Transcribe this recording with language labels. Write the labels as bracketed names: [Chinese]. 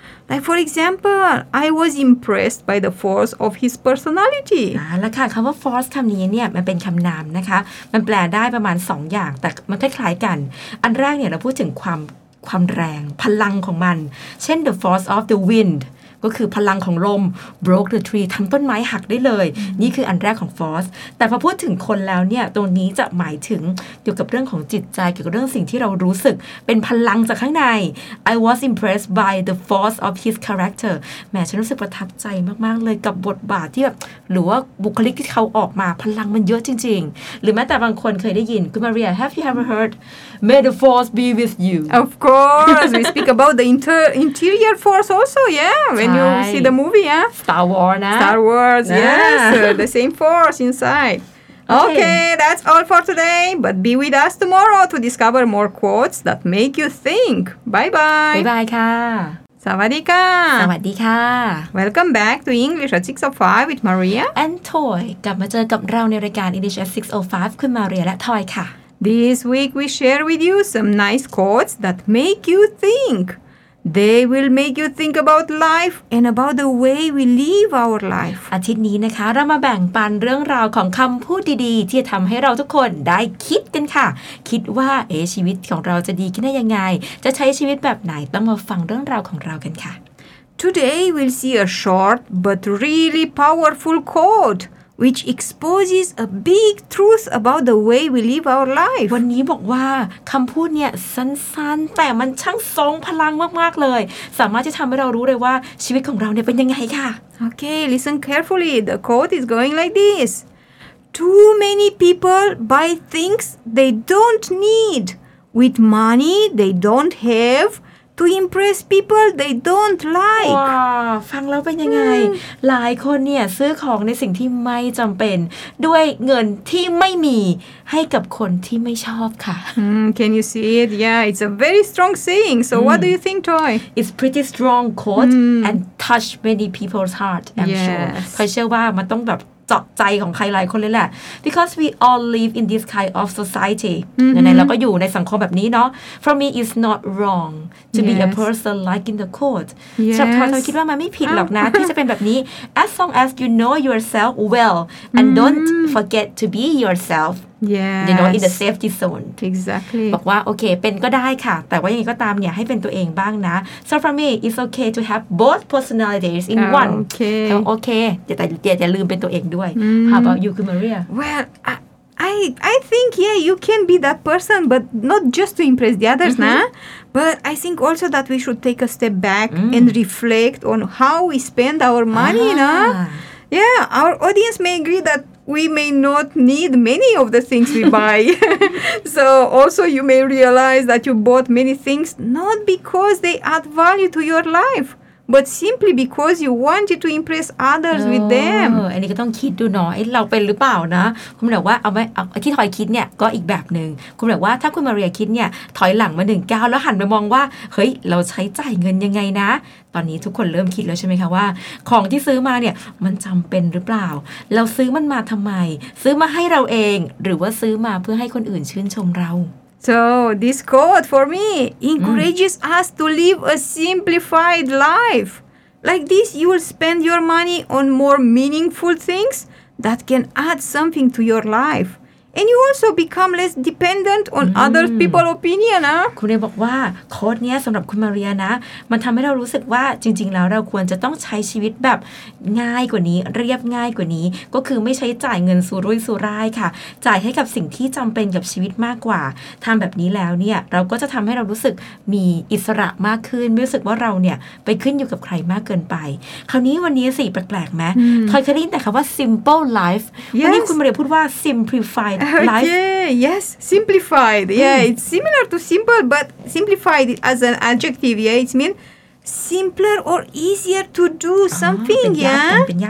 [English] Like, for example, I was impressed by the force of his personality. [Thai] แล้วค่ะคำว่า force คำนี้เนี่ยมันเป็นคำนามนะคะมันแปลได้ประมาณ2 อย่างแต่มันคล้ายๆกันอันแรกเนี่ยเราพูดถึงความแรงพลังของมันเช่น [English] the force of the wind [Thai] ก็คือพลังของลม [English] broke the tree [Thai] ทำต้นไม้หักได้เลยนี่คืออันแรกของ force แต่พอพูดถึงคนแล้วเนี่ยตรงนี้จะหมายถึงเกี่ยวกับเรื่องของจิตใจเกี่ยวกับเรื่องสิ่งที่เรารู้สึกเป็นพลังจากข้างใน [English] I was impressed by the force of his character [Thai] แม่ฉันรู้สึกประทับใจมากๆเลยกับบทบาทที่แบบหรือว่าบุคลิกที่เขาออกมาพลังมันเยอะจริงๆหรือแม้แต่บางคนเคยได้ยินคุณมาเรีย [English] Have you ever heard May the force be with you Of course we speak about the interior force also yeah when you see the movie yeah Star Wars Star Wars yes the same force inside okay that's all for today but be with us tomorrow to discover more quotes that make you think bye bye bye bye ค่ะ [Thai] สวัสดีค่ะ สวัสดีค่ะ [English] Welcome back to English at 6:05 with Maria [Thai] and Toy กลับมาเจอกับเราในรายการ English at 6:05 คุณมาเรียและ Toy ค่ะ [English] This week we share with you some nice quotes that make you think. They will make you think about life and about the way we live our life. [Thai] อาทิตย์นี้นะคะเรามาแบ่งปันเรื่องราวของคำพูดดีๆที่จะทำให้เราทุกคนได้คิดกันค่ะคิดว่าชีวิตของเราจะดีขึ้นได้ยังไงจะใช้ชีวิตแบบไหนต้องมาฟังเรื่องราวของเรากันค่ะ [English] Today we'll see a short but really powerful quote. Which exposes a big truth about the way we live our life. [Thai] วันนี้บอกว่าคำพูดเนี่ยสั้นๆแต่มันช่างทรงพลังมากๆเลยสามารถจะทำให้เรารู้เลยว่าชีวิตของเราเนี่ยเป็นยังไงค่ะ [English] Okay, listen carefully. The quote is going like this: Too many people buy things they don't need with money they don't have. To impress people they don't like. [Thai] ว้าฟังแล้วเป็นยังไงหลายคนเนี่ยซื้อของในสิ่งที่ไม่จำเป็นด้วยเงินที่ไม่มีให้กับคนที่ไม่ชอบค่ะ [English] Can you see it? Yeah, it's a very strong saying. So what do you think, Toy? It's pretty strong quote and touch many people's heart. I'm yes. sure. [Thai] เชื่อว่ามันต้องแบบเจาะใจของใครหลายคนเลยแหละ [English] because we all live in this kind of society [Thai] ไหนๆเราก็อยู่ในสังคมแบบนี้เนาะ [English] for me it's not wrong to be a person like in the quote [Thai] ฉันทอยคิดว่ามันไม่ผิดหรอกนะที่จะเป็นแบบนี้ [English] as long as you know yourself well and don't forget to be yourself Yes. You know, in the safety zone. Exactly. [Thai] บอกว่าโอเคเป็นก็ได้ค่ะแต่ว่ายังไงก็ตามเนี่ยให้เป็นตัวเองบ้างนะ [English] So for me, it's okay to have both personalities in one. Okay. [Thai] แต่อย่าลืมเป็นตัวเองด้วย [English] How about you, Maria? Well, I think, yeah, you can be that person, but not just to impress the others, nah? But I think also that we should take a step back and reflect on how we spend our money, nah? Yeah, our audience may agree that we may not need many of the things we buy. So also you may realize that you bought many things not because they add value to your life, but simply because you wanted to impress others with them. [Thai] อันนี้ก็ต้องคิดดูเนาะเราเป็นหรือเปล่านะคุณบอกว่าเอาไหมที่ถอยคิดเนี่ยก็อีกแบบนึงคุณบอกว่าถ้าคุณมาเรียคิดเนี่ยถอยหลังมาหนึ่งก้าวแล้วหันไปมองว่าเฮ้ยเราใช้จ่ายเงินยังไงนะตอนนี้ทุกคนเริ่มคิดแล้วใช่ไหมคะว่าของที่ซื้อมาเนี่ยมันจำเป็นหรือเปล่าเราซื้อมันมาทำไมซื้อมาให้เราเองหรือว่าซื้อมาเพื่อให้คนอื่นชื่นชมเรา [English] So this quote for me encourages us to live a simplified life like this you will spend your money on more meaningful things that can add something to your lifeAnd you also become less dependent on other people's opinion, huh? [Thai] คุณเนี่ยบอกว่าโค้ดเนี้ยสำหรับคุณมาเรียนะมันทำให้เรารู้สึกว่าจริงๆแล้วเราควรจะต้องใช้ชีวิตแบบง่ายกว่านี้เรียบง่ายกว่านี้ก็คือไม่ใช้จ่ายเงินสุรุ่ยสุร่ายค่ะจ่ายให้กับสิ่งที่จำเป็นกับชีวิตมากกว่าทำแบบนี้แล้วเนี่ยเราก็จะทำให้เรารู้สึกมีอิสระมากขึ้นรู้สึกว่าเราเนี่ยไปขึ้นอยู่กับใครมากเกินไปคราวนี้วันนี้สิแปลกๆไหมทอยเคยได้ยินแต่คำว่า simple life [English] yes. [Thai] วันนี้คุณมาเรียพูดว่า simplifyOkay. [English] Yes. Simplified. Yeah. It's similar to simple, but simplified as an adjective. Yeah. It means simpler or easier to do something. Yeah.